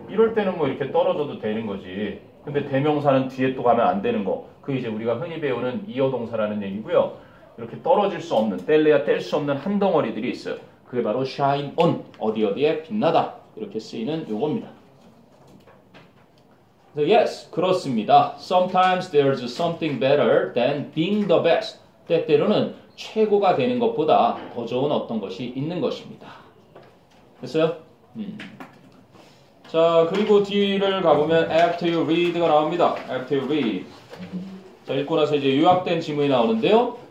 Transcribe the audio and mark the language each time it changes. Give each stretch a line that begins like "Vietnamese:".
Korean: 이럴 때는 뭐 이렇게 떨어져도 되는 거지. 근데 대명사는 뒤에 또 가면 안 되는 거. 그게 이제 우리가 흔히 배우는 이어 동사라는 얘기고요. 이렇게 떨어질 수 없는, 뗄래야 뗄 수 없는 한 덩어리들이 있어요. 그게 바로 shine on, 어디 어디에 빛나다. 이렇게 쓰이는 요겁니다.
English: So yes,
Korean: 그렇습니다.
English: Sometimes there's something better than being the best.
Korean: 때때로는 최고가 되는 것보다 더 좋은 어떤 것이 있는 것입니다. 됐어요? 자, 그리고 뒤를 가보면
English: after you read
Korean: 가 나옵니다. after you read. 자, 읽고 나서 이제 요약된 질문이 나오는데요.